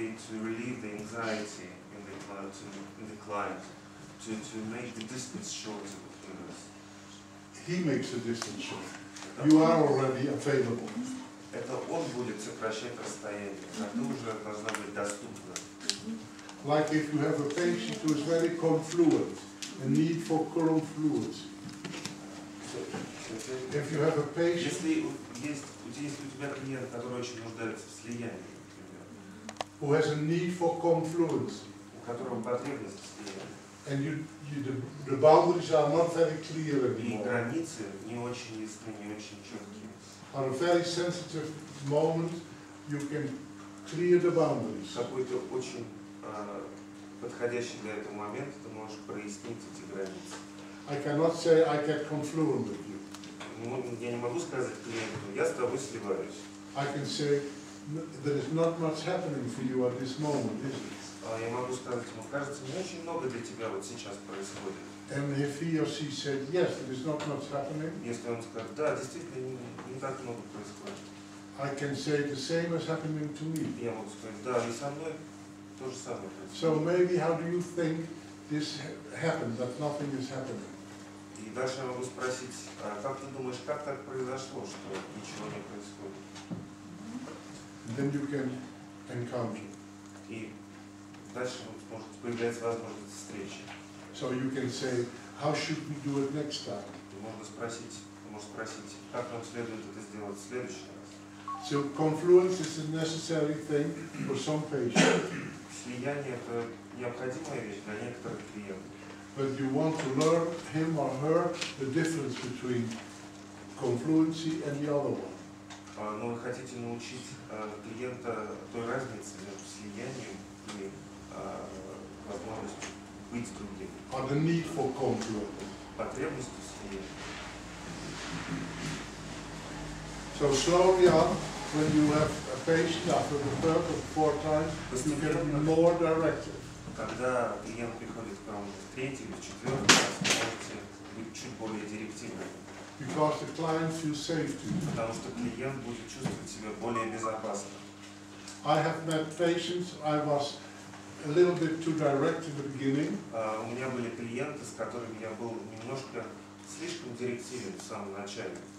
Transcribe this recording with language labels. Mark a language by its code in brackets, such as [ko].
[en] To relieve the anxiety in the client, to make the distance shorter between us. He makes the distance shorter. You are already available. [ru] Это он будет сокращать расстояние, а ты уже должна быть доступна. [en] Like if you have a patient who is very confluent, a need for confluence. If you have a patient, [ru] если у тебя клиент, который очень нуждается в слиянии, [en] who has a need for confluence, [ru] у которого потребность в слиянии, [en] and the boundaries are not very clear anymore. [ru] И границы не очень ясны, не очень четкие. [en] At a very sensitive moment, you can clear the boundaries. [ru] Какой-то очень подходящий для этого момент, ты можешь прояснить эти границы. [en] I cannot say I get confluent with you. [ru] Ну, я не могу сказать клиенту, я с тобой сливаюсь. [en] I can say there is not much happening for you at this moment, is it? [ru] Я могу сказать ему, кажется, не очень много для тебя вот сейчас происходит. [en] And if he or she said yes, there is not much happening. [ru] Если он скажет, да, действительно не так много происходит. [en] I can say the same is happening to me. [ru] Я могу сказать, да, и со мной. [en] So maybe how do you think this happened, that nothing is happening? [ru] И дальше я могу спросить, а как ты думаешь, как так произошло, что ничего не происходит? [en] Then you can encounter. [ru] И дальше может появляться возможность встречи. [en] So you can say, how should we do it next time? [ru] И можно спросить, как нам следует это сделать в следующий раз? [en] So confluence is a necessary thing for some patients. [ru] Слияние – это необходимая вещь для некоторых клиентов. [en] But you want to learn him or her the difference between confluency and the other one. [ru] Но вы хотите научить клиента той разнице между слиянием и возможностью быть другим. [en] Or the need for confluence. [ru] Потребностью слияния. [en] So slowly on. When you have a patient after the third or fourth time, you get more directed. [ru] Когда клиент приходит к вам в третий или четвертый раз, вы можете быть чуть более директивным. [en] Because the client feels safe to you. [ru] Потому что клиент будет чувствовать себя более безопасно. [en] I have met patients. I was a little bit too direct in the beginning. [ru] У меня были клиенты, с которыми я был немножко слишком директивен в самом начале.